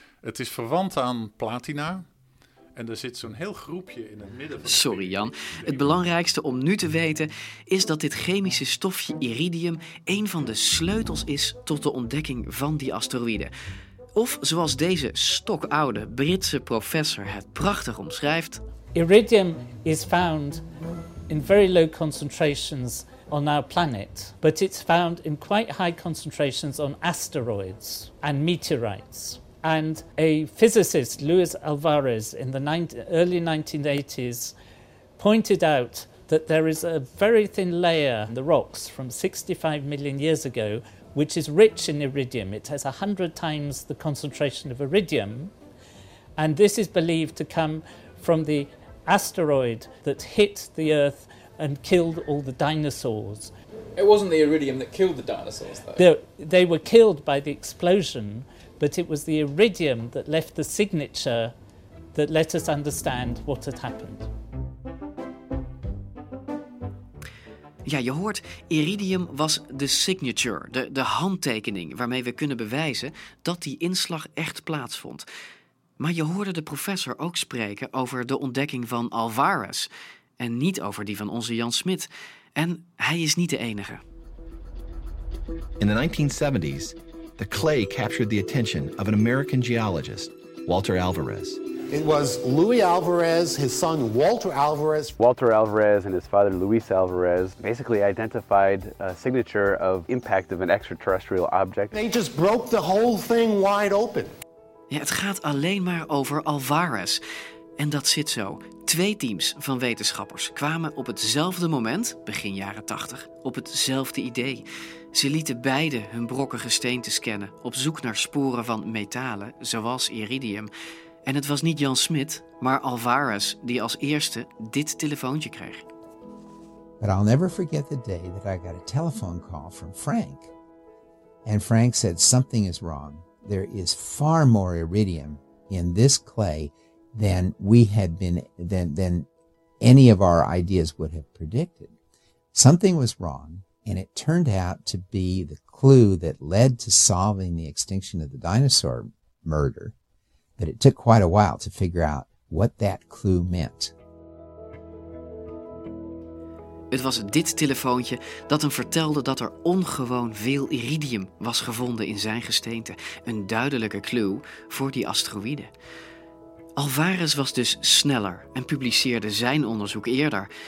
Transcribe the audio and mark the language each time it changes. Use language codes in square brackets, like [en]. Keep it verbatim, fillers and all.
[nl] Het is verwant aan platina. En er zit zo'n heel groepje in het midden van... Sorry Jan, het belangrijkste om nu te weten is dat dit chemische stofje iridium een van de sleutels is tot de ontdekking van die asteroïden. Of zoals deze stokoude Britse professor het prachtig omschrijft... [en] Iridium is found in very low concentrations on our planet, but it's found in quite high concentrations on asteroids and meteorites. And a physicist, Louis Alvarez, in the nineteen, early nineteen eighties, pointed out that there is a very thin layer in the rocks from sixty-five million years ago, which is rich in iridium. It has one hundred times the concentration of iridium. And this is believed to come from the asteroid that hit the Earth and killed all the dinosaurs. It wasn't the iridium that killed the dinosaurs, though. They, they were killed by the explosion. But it was the iridium that left the signature that let us understand what had happened. [nl] Ja, je hoort, iridium was de signature, de, de handtekening waarmee we kunnen bewijzen dat die inslag echt plaatsvond. Maar je hoorde de professor ook spreken over de ontdekking van Alvarez en niet over die van onze Jan Smit. En hij is niet de enige. [en] In the nineteen seventies... the clay captured the attention of an American geologist, Walter Alvarez. It was Louis Alvarez, his son Walter Alvarez. Walter Alvarez and his father Luis Alvarez basically identified a signature of impact of an extraterrestrial object. They just broke the whole thing wide open. [nl] Ja, het gaat alleen maar over Alvarez. En dat zit zo. Twee teams van wetenschappers kwamen op hetzelfde moment, begin jaren tachtig, op hetzelfde idee. Ze lieten beide hun brokken gesteente scannen op zoek naar sporen van metalen, zoals iridium. En het was niet Jan Smit, maar Alvarez die als eerste dit telefoontje kreeg. [en] But I'll never forget the day that I got a telephone call from Frank. And Frank said, something is wrong. There is far more iridium in this clay than we had been, than, than any of our ideas would have predicted. Something was wrong, and it turned out to be the clue that led to solving the extinction of the dinosaur murder. But it took quite a while to figure out what that clue meant. [nl] Het was dit telefoontje dat hem vertelde dat er ongewoon veel iridium was gevonden in zijn gesteente. Een duidelijke clue voor die asteroïde. Alvarez was dus sneller en publiceerde zijn onderzoek eerder.